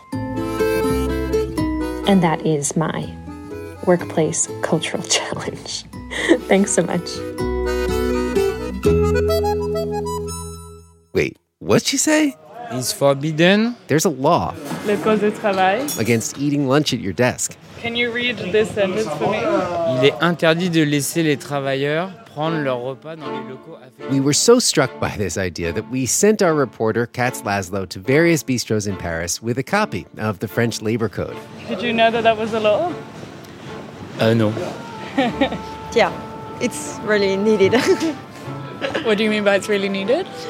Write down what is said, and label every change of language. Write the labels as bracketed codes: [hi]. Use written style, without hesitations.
[en] And that is my workplace cultural challenge. Thanks so much. Wait, what'd she say? It's forbidden. There's a law against eating lunch at your desk. Can you read this sentence for me? [fr] Il est interdit de laisser les travailleurs prendre leur repas dans les locaux. [en] We were so struck by this idea that we sent our reporter, Katz Laszlo, to various bistros in Paris with a copy of the French Labor Code. Did you know that that was a law? No. Yeah, it's really needed. What do you mean by it's really needed?